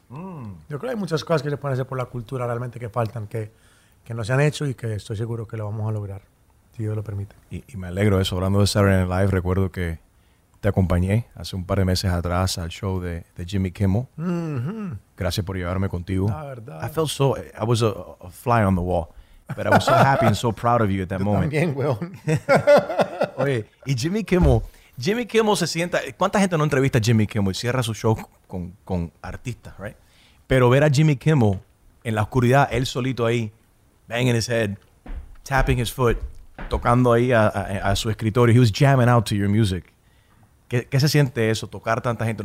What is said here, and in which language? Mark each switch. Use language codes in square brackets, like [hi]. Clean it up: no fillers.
[es] Yo creo que hay muchas cosas que se pueden hacer por la cultura realmente que faltan, que no se han hecho y que estoy seguro que lo vamos a lograr, si Dios lo permite. Y me alegro de eso. Hablando de Saturday Night Live, recuerdo que te acompañé hace un par de meses atrás al show de Jimmy Kimmel. Mm-hmm. Gracias por llevarme contigo. La verdad. [en] I was a fly on the wall, but I was so happy and so proud of you at that [es] yo [en] moment. [es] También, weón. Oye, y Jimmy Kimmel se sienta... ¿Cuánta gente no entrevista a Jimmy Kimmel y cierra su show con artistas, [en] right? [es] Pero ver a Jimmy Kimmel en la oscuridad, él solito ahí, [en] banging his head, tapping his foot, [es] tocando ahí a su escritorio. [en] He was jamming out to your music. [es] ¿Qué se siente eso, tocar tanta gente?